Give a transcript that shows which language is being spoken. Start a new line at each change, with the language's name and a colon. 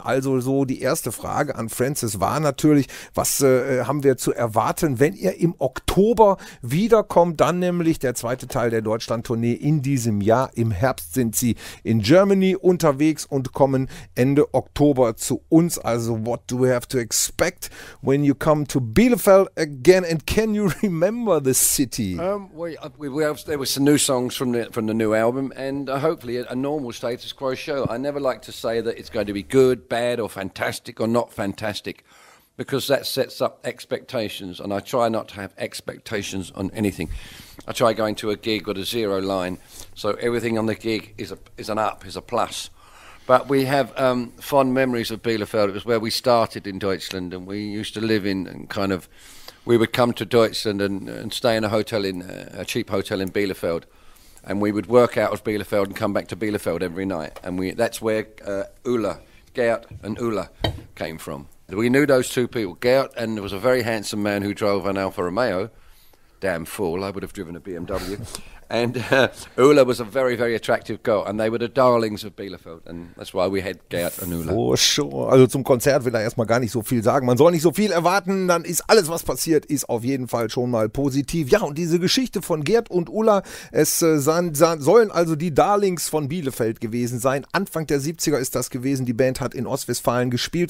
German: Also so die erste Frage an Francis war natürlich, was haben wir zu erwarten, wenn ihr im Oktober wiederkommt, dann nämlich der 2. Teil der Deutschland-Tournee in diesem Jahr. Im Herbst sind sie in Germany unterwegs und kommen Ende Oktober zu uns.
English: Also what do we have to expect when you come to Bielefeld again, and can you remember the city? There were some new songs from the new album, and hopefully a normal Status Quo show. I never like to say that it's going to be good, bad, or fantastic, or not fantastic, because that sets up expectations, and I try not to have expectations on anything. I try going to a gig with a zero line, so everything on the gig is a plus. But we have fond memories of Bielefeld. It was where we started in Deutschland, and we used to live in, and kind of, we would come to Deutschland and stay in a hotel, in a cheap hotel in Bielefeld, and we would work out of Bielefeld and come back to Bielefeld every night. And that's where Ulla, Gert and Ulla came from. We knew those two people, Gert, and there was a very handsome man who drove an Alfa Romeo. Damn fool, I would have driven a BMW. And Ulla was a very, very attractive girl. And they were the darlings of Bielefeld. And that's why we had Gert and Ulla. For sure.
German: Also zum Konzert will er erstmal gar nicht so viel sagen. Man soll nicht so viel erwarten. Dann ist alles, was passiert, ist auf jeden Fall schon mal positiv. Ja, und diese Geschichte von Gert und Ulla, es sollen also die Darlings von Bielefeld gewesen sein. Anfang der 70er ist das gewesen. Die Band hat in Ostwestfalen gespielt.